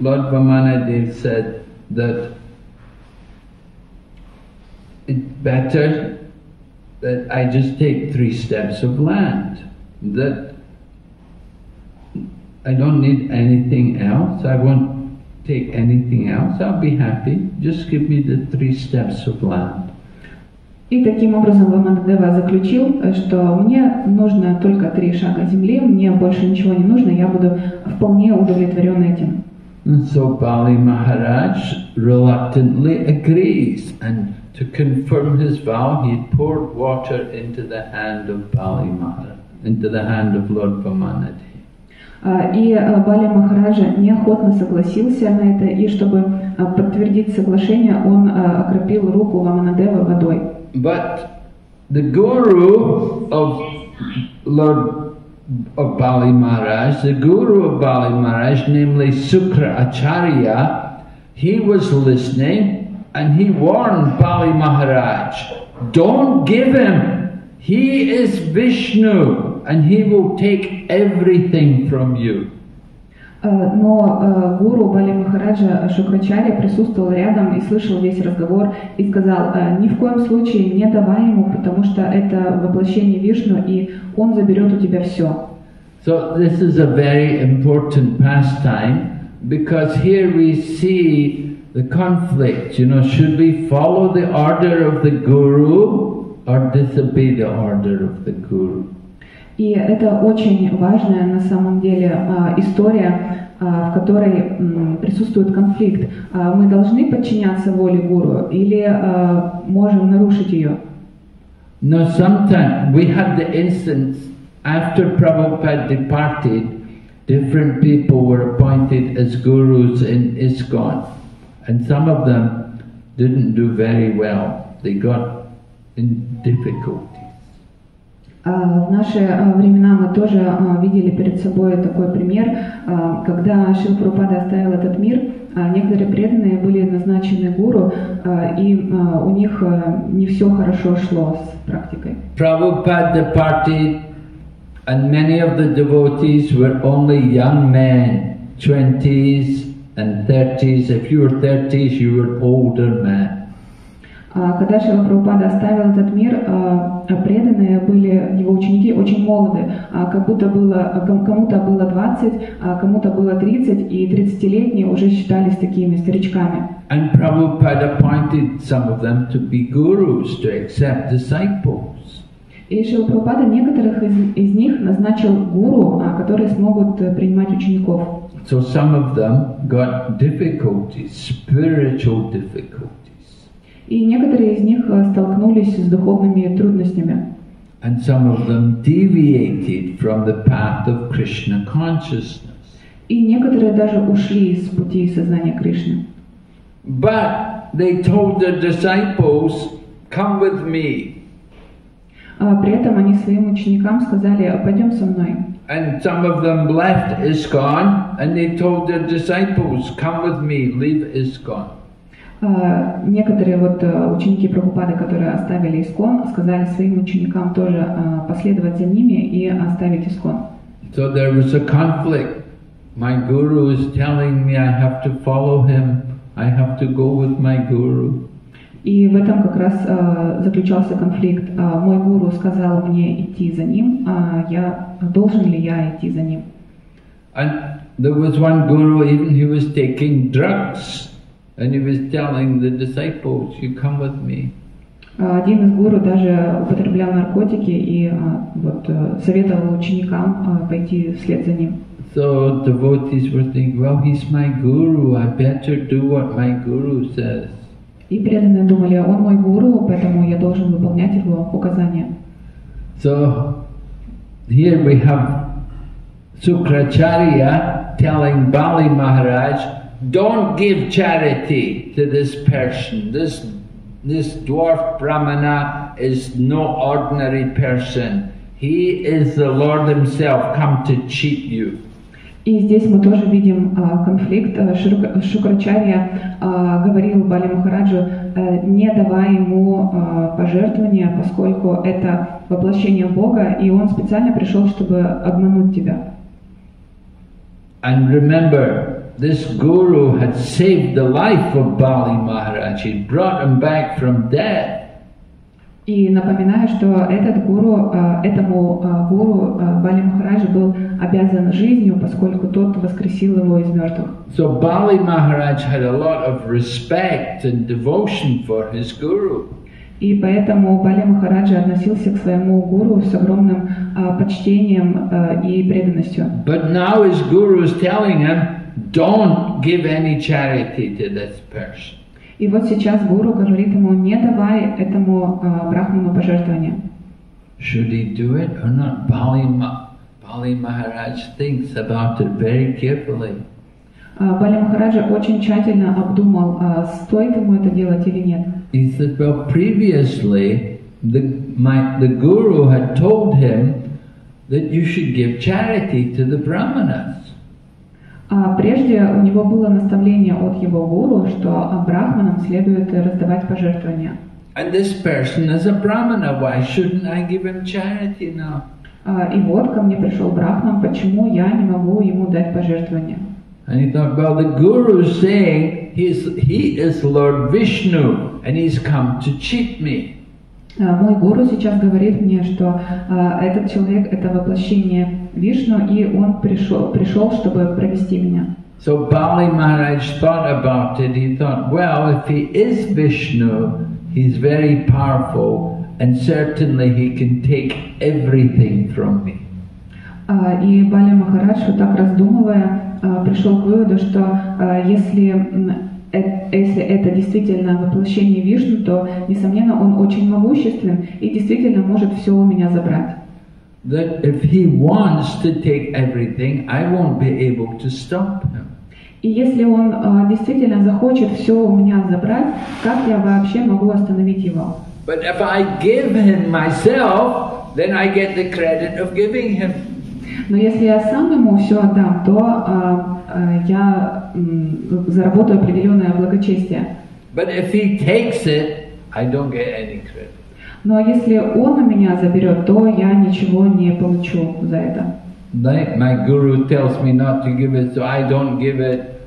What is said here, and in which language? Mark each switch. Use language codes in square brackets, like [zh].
[en] Lord Vamanadev said that it's better that I just take three steps of land, that I don't need anything else. I won't take anything else. I'll be happy. Just give me the three steps of land. [ru] И таким образом Вамандева заключил, что мне нужно только три шага земли, мне больше ничего не нужно, я буду вполне удовлетворен этим. [en] And so Bali Maharaj reluctantly agrees, and to confirm his vow, he poured water into the hand of Bali Maharaj, into the hand of Lord Vamanadev. [ru] И Бали Махараджа неохотно согласился на это, и чтобы подтвердить соглашение, он окропил руку Ламанадева водой. [en] But the guru of Lord of Bali Maharaj, the guru of Bali Maharaj, namely Sukra Acharya, he was listening and he warned Bali Maharaj, don't give him, he is Vishnu. And he will take everything from you. [ru] Но гуру Бали Махараджа Шукрачарья присутствовал рядом и слышал весь разговор и сказал, ни в коем случае не давай ему, потому что это воплощение Вишну, и он заберет у тебя все. [en] So this is a very important pastime, because here we see the conflict, you know, should we follow the order of the guru or disobey the order of the guru? [ru] И это очень важная на самом деле история, в которой присутствует конфликт. Мы должны подчиняться воле гуру или можем нарушить ее? Но [en] sometimes we had the instance after Prabhupada departed, different people were appointed as gurus in ISKCON, and some of them didn't do very well. They got in difficulty. [ru] В наши времена мы тоже видели перед собой такой пример, когда Шрила Прабхупада оставил этот мир, некоторые преданные были назначены гуру, и у них не все хорошо шло с практикой. [en] Prabhupada departed, and many of the devotees were only young men, 20s and 30s. If you were 30s, you were older men. [ru] Когда Шрила Прабхупада оставил этот мир, преданные были его ученики очень молоды, как будто было кому-то было 20, а кому-то было 30, и 30-летние уже считались такими старичками. [en] And Prabhupada appointed some of them to be gurus, to accept disciples. [ru] И Шрила Прабхупада некоторых из них назначил гуру, которые смогут принимать учеников. [en] So some of them got difficulties, spiritual difficulties. [ru] И некоторые из них столкнулись с духовными трудностями. [en] And some of them deviated from the path of Krishna consciousness. [ru] И некоторые даже ушли с пути сознания Кришны. [en] But they told their disciples, come with me. [ru] При этом они своим ученикам сказали, пойдем со мной. [en] And some of them left ISKCON, and they told their disciples, come with me, leave ISKCON. [ru] Некоторые вот ученики Прабхупады, которые оставили ИСКОН, сказали своим ученикам тоже последовать за ними и оставить ИСКОН. [en] So there was a conflict. My guru is telling me I have to follow him. I have to go with my guru. [ru] И в этом как раз заключался конфликт. Мой гуру сказал мне идти за ним. Должен ли я идти за ним? [en] And there was one guru, even he was taking drugs. And he was telling the disciples, "You come with me." [ru] Один из гуру даже употреблял наркотики и вот советовал ученикам пойти вслед за ним. [en] So devotees were thinking, "Well, he's my guru. I better do what my guru says." [ru] И преданные думали, он мой гуру, поэтому я должен выполнять его указания. [en] So here we have Sukracharya telling Bali Maharaj. Don't give charity to this person. This dwarf brahmana is no ordinary person. He is the Lord himself come to cheat you. [ru] И здесь мы тоже видим конфликт. Шукрачарья говорил Бали Махараджу, не давай ему пожертвования, поскольку это воплощение Бога, и он специально пришел, чтобы обмануть тебя. [en] And remember, this guru had saved the life of Bali Maharaj. He brought him back from death. [ru] И напоминаю, что этот гуру, этому гуру Бали Махараджи был обязан жизнью, поскольку тот воскресил его из мертвых. [en] So Bali Maharaj had a lot of respect and devotion for his guru. [ru] И поэтому Бали Махараджа относился к своему гуру с огромным почтением и преданностью. [en] But now his guru is telling him, don't give any charity to this person. [ru] И вот сейчас гуру говорит ему, не давай этому брахману пожертвования. [en] Should he do it or not? Bali Maharaj thinks about it very carefully. [ru] Бали Махараджа очень тщательно обдумал, стоит ему это делать или нет. [en] He said, well, previously the guru had told him that you should give charity to the brahmanas. [ru] Прежде у него было наставление от его гуру, что брахманам следует раздавать пожертвования. [en] And this person is a brahmana, why shouldn't I give him charity now? [ru] И вот ко мне пришел брахман, почему я не могу ему дать пожертвование? [en] And he thought, well, the guru is saying, He is Lord Vishnu, and he's come to cheat me. [ru] Мой гуру сейчас говорит мне, что этот человек — это воплощение Вишну, и он пришел, чтобы провести меня. [en] So Bali Maharaj thought about it. He thought, well, if he is Vishnu, he's very powerful, and certainly he can take everything from me. [ru] И Бали Махарадж, вот так раздумывая, пришел к выводу, что если это действительно воплощение Вишну, то, несомненно, он очень могуществен и действительно может все у меня забрать. [en] That if he wants to take everything, I won't be able to stop him. [ru] И если он действительно захочет все у меня забрать, как я вообще могу остановить его? [en] But if I give him myself, then I get the credit of giving him. [ru] Но если я сам ему все отдам, то я заработаю определенное благочестие. [en] But if he takes it, I don't get any credit. [ru] Но если он у меня заберет, то я ничего не получу за это. [en] Like my guru tells me not to give it, so I don't give it.